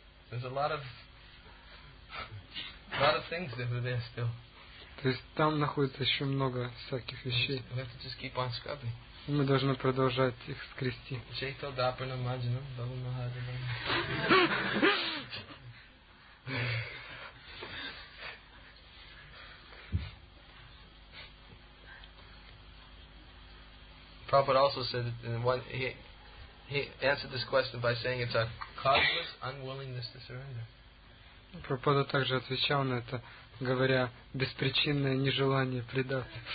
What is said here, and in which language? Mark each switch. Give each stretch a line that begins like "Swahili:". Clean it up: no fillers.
English: There's a lot of things that are there still.
Russian: То есть там находится еще много всяких вещей.
English: We have to just keep on scrubbing.
Russian: Мы должны продолжать их скрести. Чейто дапрана маджина, бабу махадана.
English: Prabhupada also said that he answered this question by saying it's a causeless unwillingness to surrender.
Russian: Prabhupada также отвечал на это, говоря, беспричинное нежелание предаться.